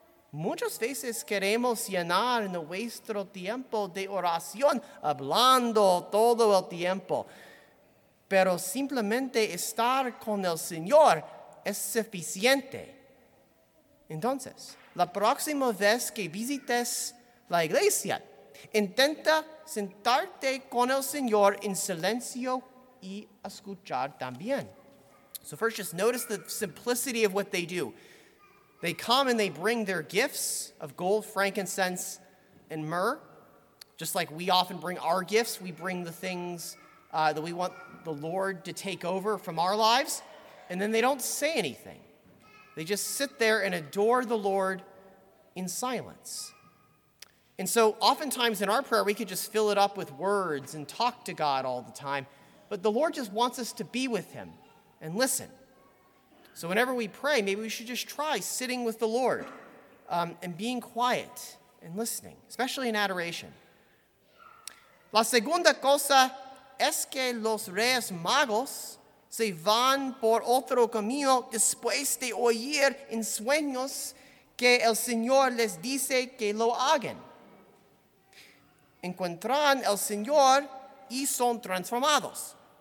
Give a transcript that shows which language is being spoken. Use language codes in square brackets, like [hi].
[es] Muchas veces queremos llenar nuestro tiempo de oración hablando todo el tiempo. Pero simplemente estar con el Señor es suficiente. Entonces, la próxima vez que visites la iglesia, intenta sentarte con el Señor en silencio y escuchar también. [en] So first, just notice the simplicity of what they do. They come and they bring their gifts of gold, frankincense, and myrrh. Just like we often bring our gifts, we bring the things that we want the Lord to take over from our lives. And then they don't say anything. They just sit there and adore the Lord in silence. And so oftentimes in our prayer, we could just fill it up with words and talk to God all the time. But the Lord just wants us to be with him and listen. So whenever we pray, maybe we should just try sitting with the Lord and being quiet and listening, especially in adoration. [es] La segunda cosa es que los reyes magos se van por otro camino después de oír en sueños que el Señor les dice que lo hagan. Encuentran el Señor y son transformados.